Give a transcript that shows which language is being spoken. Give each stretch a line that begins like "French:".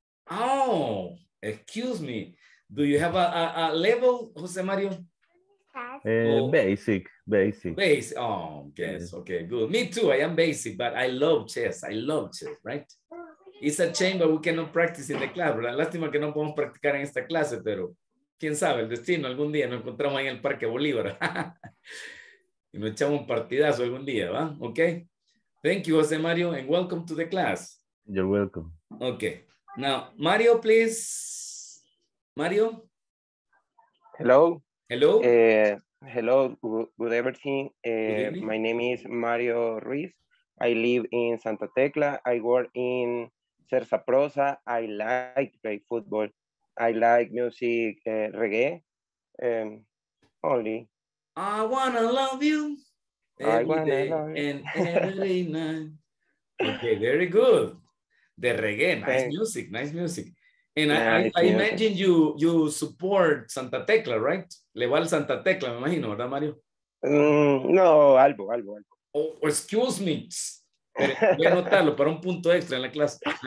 English: Oh, excuse me. Do you have a level, Jose Mario? Basic. Basic. Oh, yes. Okay, good. Me too. I am basic, but I love chess. I love chess, right? It's a shame, but we cannot practice in the club.
Spanish: La lástima que no podemos practicar en esta clase, pero quién sabe, el destino, algún día nos encontramos ahí en el Parque Bolívar. Y nos echamos un partidazo algún día, ¿va?
English: Okay. Thank you, José Mario, and welcome to the class. You're welcome. Okay. Now, Mario, please. Mario? Hello. Hello. Hello. Good evening. My name is Mario Ruiz. I live in Santa Tecla. I work in Cersa Prosa. I like play football. I like music, reggae. Only. I wanna love you every day and every night. Okay, very good. The reggae, nice music. And I imagine you support Santa Tecla, right?
Spanish: Le va al Santa Tecla, me imagino, ¿verdad, Mario? No, algo.
English: Oh, excuse me.
Spanish: Voy a anotarlo para un punto extra en la clase.